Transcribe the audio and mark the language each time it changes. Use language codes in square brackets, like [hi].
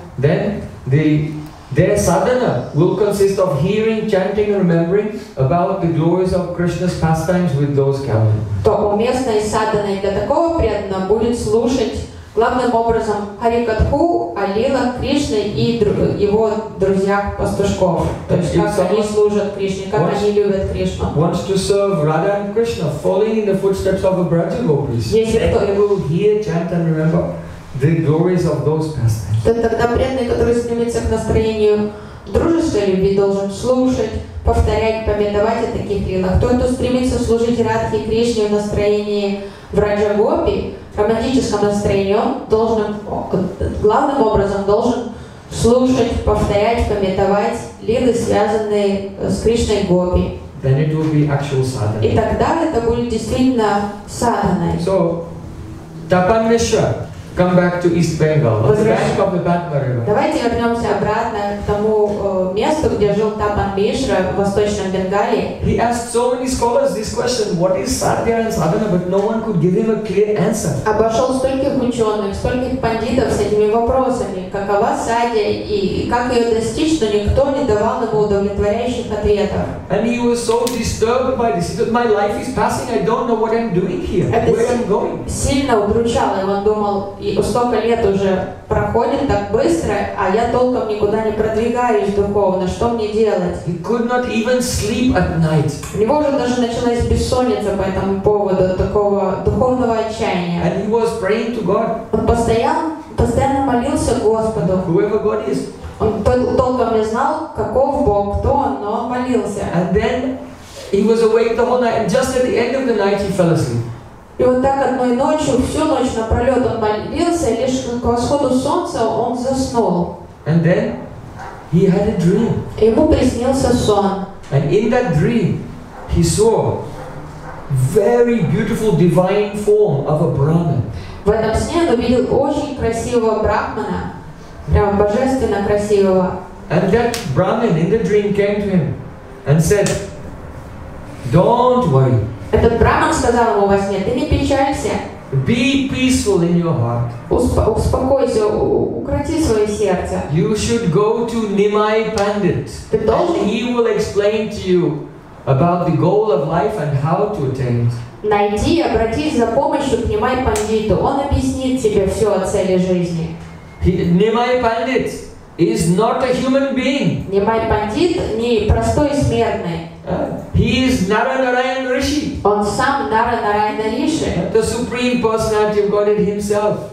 [en] then the their sadhana will consist of hearing, chanting and remembering about the glories of Krishna's pastimes with those cowherds. [ru] То уместной садханой для такого преданного будет слушать главным образом Харикатху, Алила, Кришна и его друзьях-пастушков. То есть как они служат Кришне, как они любят Кришну. [en] Wants to serve Radha and Krishna, following in the footsteps of a Braja Gopis. They will hear, chant and remember the glories of those pastimes. [ru] То тогда преданный, который стремится к настроению дружеской любви, должен слушать, повторять, памятовать о таких лилах. Тот, кто стремится служить Радхе и Кришне в настроении Враджа Гопи, в романтическом настроении он должен, главным образом должен слушать, повторять, памятовать лилы, связанные с Кришной Гопи. [en] Then it will be actual sadhana. [ru] И тогда это будет действительно садханой. [en] So, Tapan Mishra, come back to East Bengal, on the bank of the Padma River. [ru] Давайте вернемся обратно к тому месту, где жил Тапан Мишра в Восточном Бенгалии. [en] He asked so many scholars this question, what is sadhya and sadhana, but no one could give him a clear answer. [ru] Обошел стольких ученых, стольких пандитов с этими вопросами, какова садья и как ее достичь, но никто не давал ему удовлетворяющих ответов. [en] And he was so disturbed by this, that my life is passing, I don't know what I'm doing here, [ru] это [en] where I'm going. [ru] Сильно удручало, он думал, и столько лет уже проходит так быстро, а я толком никуда не продвигаюсь духовно, что мне делать? [en] He could not even sleep at night. [ru] У него уже даже началась бессонница по этому поводу, такого духовного отчаяния. [en] And he was praying to God. [ru] Он постоянно молился Господу. [en] Whoever God is. [ru] Он толком не знал, каков Бог, кто он, но он молился. [en] And then he was awake the whole night, and just at the end of the night he fell asleep. [ru] И вот так одной ночью, всю ночь напролет он молился, и лишь к восходу солнца он заснул. [en] And then he had a dream. [ru] И ему приснился сон. [en] And in that dream he saw very beautiful divine form of a Brahman. [ru] В этом сне он увидел очень красивого брахмана, прямо божественно красивого. [en] And that Brahman in the dream came to him and said, "Don't worry." [ru] Этот браман сказал ему во сне, ты не печалься. [en] Be peaceful in your heart. [ru] Успокойся, укроти свое сердце. [en] You should go to Nimai Pandit. [ru] Ты должен. [en] And he will explain to you about the goal of life and how to attain it. [ru] Найди, обратись за помощью к Nimai Panditу. Он объяснит тебе все о цели жизни. [en] Nimai Pandit is not a human being. [ru] Nimai Pandit не простой смертный. [en] He is Naranarayan Rishi. [ru] Он сам Наранараян Риши. [en] The Supreme Personality of Godhead Himself.